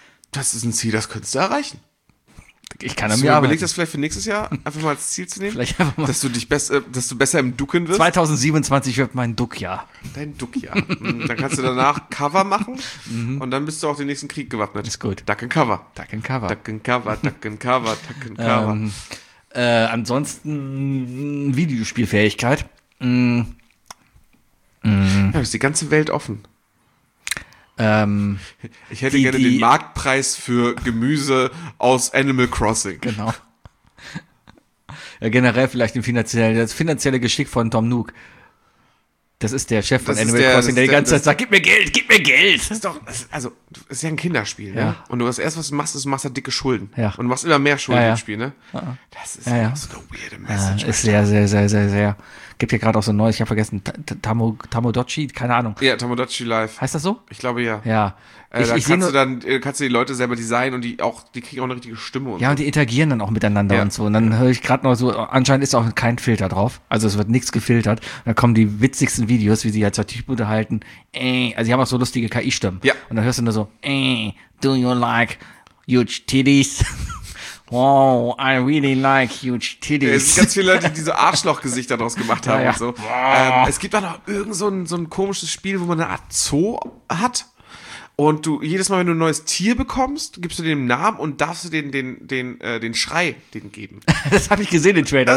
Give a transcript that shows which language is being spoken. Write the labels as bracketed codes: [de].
[de] Das ist ein Ziel, das könntest du erreichen. Ich kann an mir arbeiten. Überleg das vielleicht für nächstes Jahr, einfach mal als Ziel zu nehmen? Vielleicht einfach mal. Dass du besser im Ducken wirst? 2027 wird mein Duckjahr. Dein Duckjahr. Dann kannst du danach Cover machen und dann bist du auch den nächsten Krieg gewappnet. Ist gut. Duck and Cover. Duck and Cover. Duck and Cover, Duck and Cover, Duck and Cover. Ansonsten Videospielfähigkeit. Ja, ist die ganze Welt offen. Ich hätte gerne den Marktpreis für Gemüse aus Animal Crossing. Genau. Ja, generell vielleicht das finanzielle Geschick von Tom Nook. Das ist der Chef von Animal Crossing, der die ganze Zeit sagt, gib mir Geld. Das ist ja ein Kinderspiel, ja. Ne? Und das Erste, was du machst, ist, du machst da dicke Schulden. Ja. Und du machst immer mehr Schulden, ja, ja, im Spiel, ne? Das ist ja auch so eine weirde Message. Ist sehr, sehr, sehr, sehr, sehr. Gibt hier gerade auch so ein neues, ich habe vergessen, Tamodachi, keine Ahnung. Ja, Tamodachi Live. Heißt das so? Ich glaube, ja. Ja. Kannst du die Leute selber designen und die kriegen auch eine richtige Stimme. Und ja, so. Und die interagieren dann auch miteinander, ja, und so. Und dann höre ich gerade noch so, anscheinend ist auch kein Filter drauf. Also es wird nichts gefiltert. Da kommen die witzigsten Videos, wie sie halt zwei Tischbude halten. Also die haben auch so lustige KI-Stimmen. Ja. [en] Und dann hörst du nur so, do you like huge titties? Wow, I really like huge titties. [de] Es sind ganz viele Leute, die so Arschlochgesichter draus gemacht haben. Ja, ja. Und so. Es gibt auch noch irgend so ein komisches Spiel, wo man eine Art Zoo hat. Und du, jedes Mal, wenn du ein neues Tier bekommst, gibst du dem Namen und darfst du den Schrei den geben. Das habe ich gesehen im Trailer.